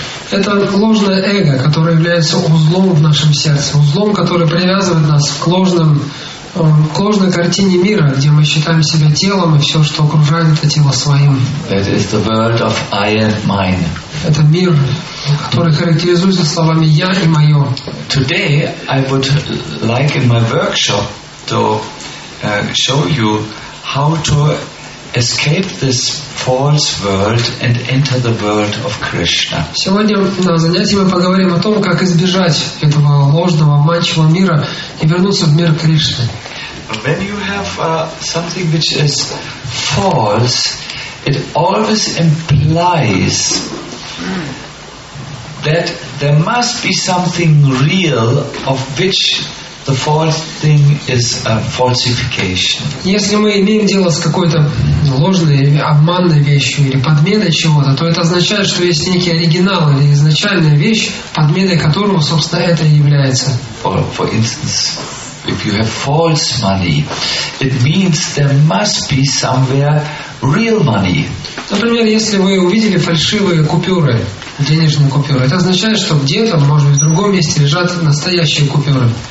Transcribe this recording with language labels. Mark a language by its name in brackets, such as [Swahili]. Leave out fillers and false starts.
[Russian] Это ложное эго, которое является узлом в нашем сердце, узлом, который привязывает нас к ложной картине мира, где мы считаем себя телом и все, что окружает это тело своим. [English] That is the world of I and mine. [Russian] Это мир, который характеризуется словами «я» и «моё». [English] Today I would like in my workshop to show you how to escape this false world and enter the world of Krishna. [Russian] Сегодня на занятии мы поговорим о том, как избежать этого ложного, обманчивого мира и вернуться в мир Кришны. [English] When you have something which is false, it always implies that there must be something real of which the false thing is a falsification. [Russian] Если мы имеем дело с какой-то ложной, обманной вещью или подменой чего-то, то это означает, что есть некий оригинал или изначальная вещь, подменой которого, собственно, это и является. [English] For instance, if you have false money, it means there must be somewhere real money. [Russian] Например, если вы увидели фальшивые купюры, денежные купюры, это означает, что где-то, может быть, в другом месте лежат настоящие купюры.